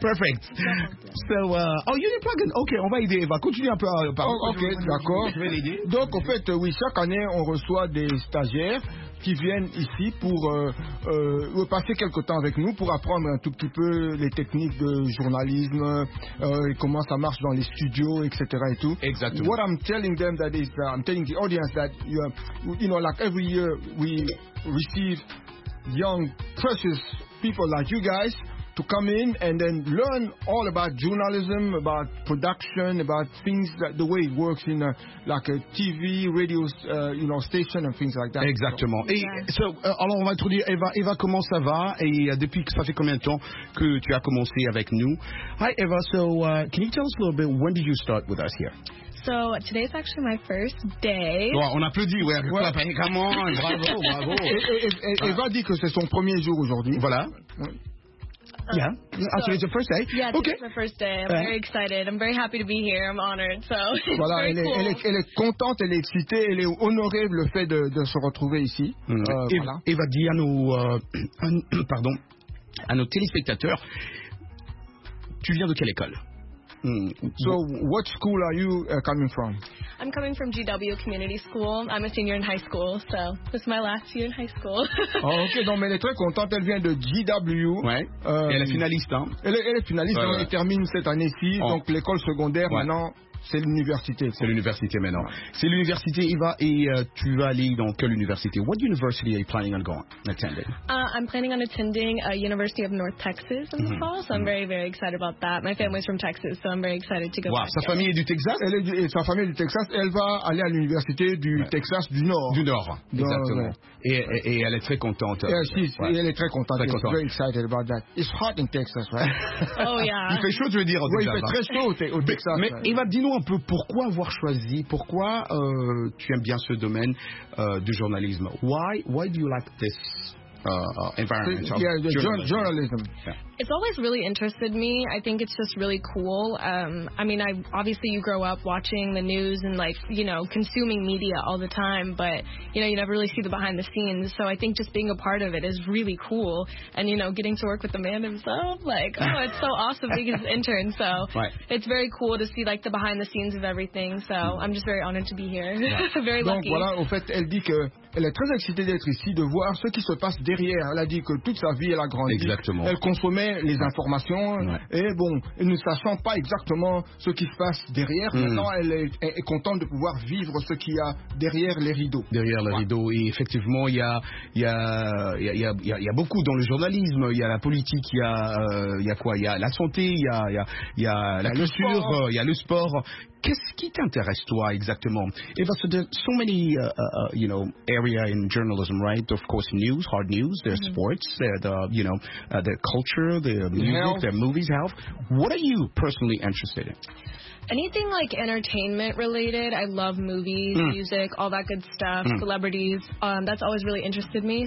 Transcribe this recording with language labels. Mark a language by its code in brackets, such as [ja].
[en] Perfect. So, you need plug-in. [fr] Ok, on va aider Eva. Continue un peu à parler. Ok, d'accord. Je vais l'aider. Donc, en fait, chaque année, on reçoit des stagiaires qui viennent ici pour passer quelques temps avec nous, pour apprendre un tout petit peu les techniques de journalisme, et comment ça marche dans les studios, etc. et tout. Exactement. [en] What I'm telling them that is, I'm telling the audience that, you know, like every year, we receive young, precious people like you guys to come in and then learn all about journalism, about production, about things, that the way it works in like a TV, radio, you know, station and things like that. [fr] Exactement. So, alors on va introduire Eva, comment ça va? Et depuis, ça fait combien de temps que tu as commencé avec nous? [en] Hi Eva, so can you tell us a little bit, when did you start with us here? So today is actually my first day. [fr] Ouais, on applaudit, [en] come on, [fr] bravo. Eva dit que c'est son premier jour aujourd'hui. [en] Voilà. Yeah, actually, it's your first day. Yeah, okay. It's my first day. I'm very excited. I'm very happy to be here. I'm honored. So, [fr] voilà, elle est contente, elle est excitée, elle est honorée le fait de se retrouver ici. Eva, dis à nos téléspectateurs, Tu viens de quelle école? [en] So, what school are you coming from? I'm coming from GW Community School. I'm a senior in high school, so this is my last year in high school. [fr] Oh, ok, donc elle est très contente, elle vient de GW. Ouais. Elle est finaliste, hein? Elle est finaliste, ouais, ouais. Elle termine cette année-ci, oh. Donc l'école secondaire, ouais. Maintenant, c'est l'université. Quoi. C'est l'université maintenant. C'est l'université, Eva, et tu vas aller dans quelle université? What university are you planning on going, attending? I'm planning on attending a University of North Texas in the fall, so I'm very, very excited about that. My family's from Texas, so I'm very excited to go. Wow, sa famille est du Texas? Sa famille est du Texas, elle va aller à l'université du Texas du Nord. Du Nord, exactement. Et elle est très contente. Elle est très contente. Très contente. [en] Very excited about that. It's hot in Texas, right? Oh, yeah. [fr] Il fait chaud, je veux dire, au Texas. Oui, il fait très chaud au Texas. Mais Eva, dis-nous un peu, pourquoi avoir choisi, pourquoi tu aimes bien ce domaine du journalisme? [en] Why do you like this environment? Journalism. Yeah. It's always really interested me. I think it's just really cool. I mean, I obviously you grow up watching the news and like, you know, consuming media all the time, but you know, you never really see the behind the scenes. So I think just being a part of it is really cool. And you know, getting to work with the man himself, like, oh, it's so awesome being his intern. So right. It's very cool to see like the behind the scenes of everything. So I'm just very honored to be here. Yeah. Very [fr] donc, [en] lucky. [fr] Donc voilà, en fait, elle dit que elle est très excitée d'être ici, de voir ce qui se passe derrière. Elle a dit que toute sa vie elle a grandi. Exactement. Elle consomme les informations, ouais. Et bon, ne sachant pas exactement ce qui se passe derrière, maintenant elle est contente de pouvoir vivre ce qu'il y a derrière les rideaux. Derrière les rideaux, et effectivement, il y a beaucoup dans le journalisme, il y a la politique, il y a quoi, il y a la santé, il y a la culture, il y a le sport. Qu'est-ce qui t'intéresse toi exactement? [en] Eva, so there's so many you know, area in journalism, right? Of course, news, hard news, there's sports, the culture, the music, the movies, health. What are you personally interested in? Anything like entertainment related, I love movies, music, all that good stuff, celebrities, that's always really interested me.